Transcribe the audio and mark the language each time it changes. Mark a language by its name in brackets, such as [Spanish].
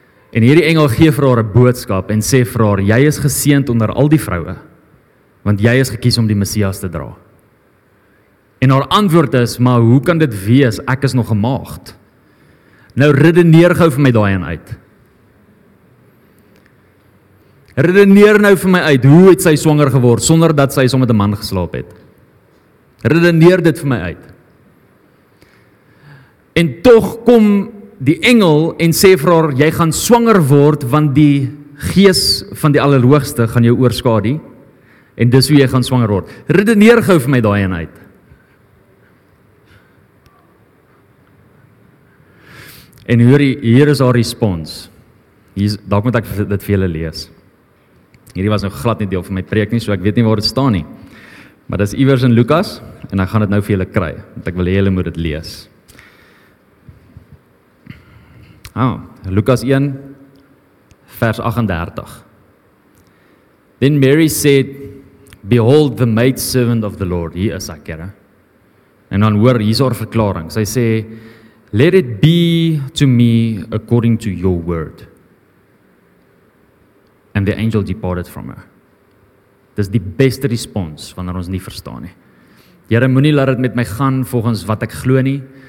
[Afrikaans] En hierdie engel gee vir haar 'n boodskap en sê vir haar, jy is geseend onder al die vroue, want jy is gekies om die Messias te dra. En haar antwoord is, maar hoe kan dit wees, ek is nog 'n maagd. Nou redeneer gou vir my daai een uit. Redeneer nou vir my uit, hoe het sy swanger geword, sonder dat sy sommer met 'n man geslaap het. Redeneer dit vir my uit. En tog kom die engel en sê vir haar, jy gaan swanger word, want die gees van die Allerhoogste gaan jou oorskadu, en dis hoe jy gaan swanger word. Redeneer gou vir my daai een uit. En hier is haar respons. Dalk moet ek dit vir julle lees. Hierdie was nou glad nie deel van my preek nie, so ek weet nie waar dit staan nie. Maar dis iewers in Lukas, en ek gaan dit nou vir julle kry, want ek wil hê julle moet dit lees. Lukas 1 vers 38. [English] Then Mary said, behold the maid servant of the Lord, [Afrikaans] hier is ek, Here. En dan hoor, hier is haar verklaring. Sy sê, [English] let it be to me according to your word. And the angel departed from her. [Afrikaans] Dis die beste respons wanneer ons nie verstaan nie. Here, moenie laat dit met my gaan volgens wat ek glo nie.